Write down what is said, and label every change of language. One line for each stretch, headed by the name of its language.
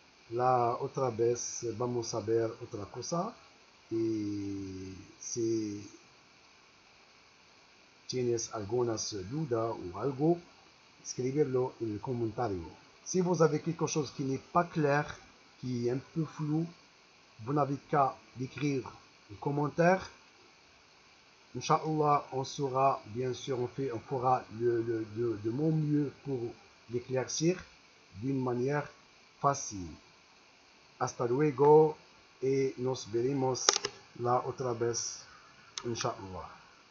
Spanish: La otra vez vamos a ver otra cosa. Et si tienes algunas dudas ou algo, escribirlo en el comentario.
French: Si vous avez quelque chose qui n'est pas clair, qui est un peu flou, vous n'avez qu'à écrire un commentaire. Inch'Allah, on saura, bien sûr, on fera de mon mieux pour l'éclaircir d'une manière facile.
Spanish: Hasta luego et nos veremos la otra vez. Inch'Allah.